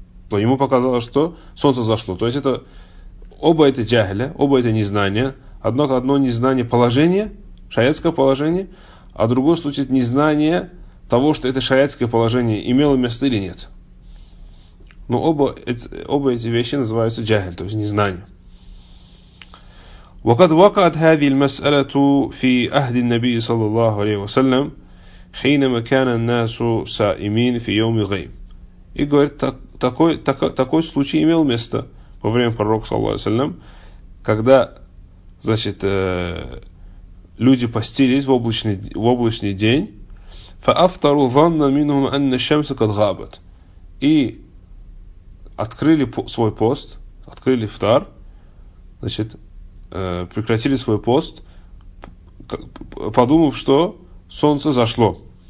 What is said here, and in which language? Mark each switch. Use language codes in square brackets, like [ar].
[ru] То ему показалось, что солнце зашло. То есть это оба это джахля, оба это незнание. Однако одно незнание положения, шариатское положение, а другой случай это незнание того, что это шариатское положение имело место или нет. Но оба эти вещи называются джахль, то есть незнание. [ar] وقد وقعت هذه المسألة في عهد النبي صلى الله عليه وسلم حينما كان الناس صائمين في يوم الغيم. [ru] И говорит, такой случай имел место во время пророка, [ar] саллаллаху алейхи ва саллям, [ru] когда, значит, люди постились в облачный день, [ar] фаафтару ванна минхум анна шамса кад габат, [ru] и открыли свой пост, открыли ифтар, значит, прекратили свой пост, подумав, что солнце зашло.